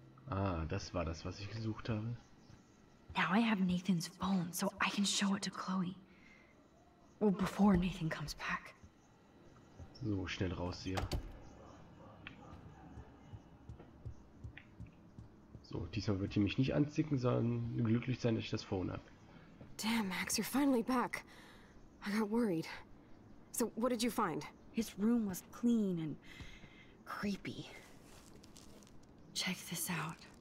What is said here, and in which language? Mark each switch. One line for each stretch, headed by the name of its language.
German: Ah, das war das, was ich gesucht habe.
English: Now I have Nathan's phone, so I can show it to Chloe. Well, before Nathan comes back.
German: So, schnell raus hier. So, diesmal wird sie mich nicht anzicken, sondern glücklich sein, dass ich das Phone habe.
English: Damn, Max, you're finally back. I got worried. So, what did you find? His room was clean and creepy. Check this out.